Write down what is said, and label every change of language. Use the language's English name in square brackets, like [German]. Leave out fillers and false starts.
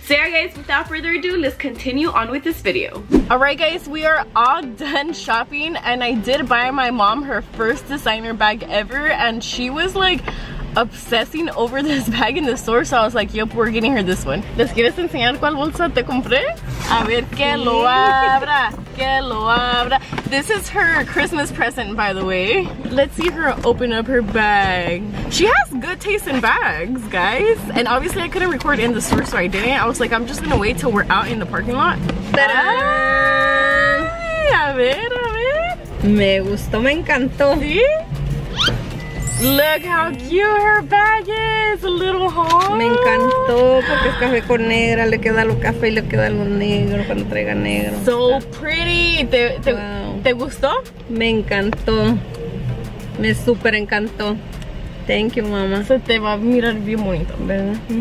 [English] So yeah, guys, without further ado, let's continue on with this video. All right, guys, we are all done shopping, and I did buy my mom her first designer bag ever, and she was like obsessing over this bag in the store, so I was like, yep, we're getting her this one. [Spanish] ¿Les quieres enseñar cuál bolsa te compré? A ver, que lo abra, que lo abra. [English] This is her Christmas present, by the way. Let's see her open up her bag. She has good taste in bags, guys. And obviously, I couldn't record in the store, so I didn't. I was like, I'm just gonna wait till we're out in the parking lot. [Spanish] Ta-da! A ver, a ver. Me gustó, me encantó. ¿Sí? [English] Look how cute her bag is, a little haul. [Spanish] Me encantó porque es café con negra, le queda lo café y le queda lo negro cuando traiga negro. [English] So pretty. [Spanish] ¿Te gustó? Me encantó. Me super encantó. [English] Thank you, mama. [Spanish] Se te va a mirar bien bonito, ¿verdad?